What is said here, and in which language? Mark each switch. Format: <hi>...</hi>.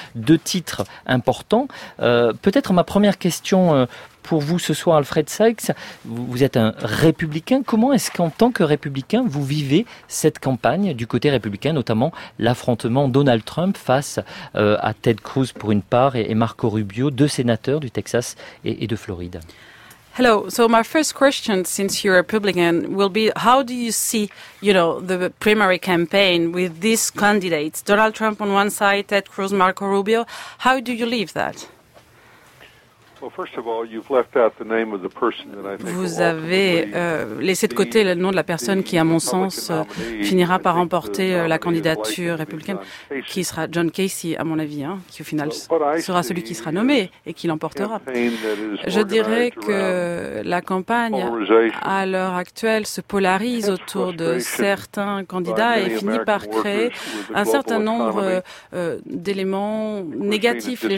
<fr>Deux titres importants. Peut-être ma première question pour vous ce soir, Alfred Sikes, vous êtes un républicain. Comment est-ce qu'en tant que républicain, vous vivez cette campagne du côté républicain, notamment l'affrontement Donald Trump face à Ted Cruz pour une part et Marco Rubio, deux sénateurs du Texas et de Floride?</fr> <en>Hello. So my first question, since you're a Republican, will be how do you see, you know, the primary campaign with these candidates, Donald Trump on one side, Ted Cruz, Marco Rubio? How do you live that? Well, first of all, you've left out the name of the person that I think.</en> <fr>Vous avez laissé de côté le nom de la personne qui, à mon sens, finira par remporter la candidature républicaine, qui sera John Casey, à mon avis, hein, qui au final sera celui qui sera nommé et qui l'emportera. Je dirais que la campagne, à l'heure actuelle, se polarise autour de certains candidats et finit par créer un certain nombre d'éléments négatifs.</fr>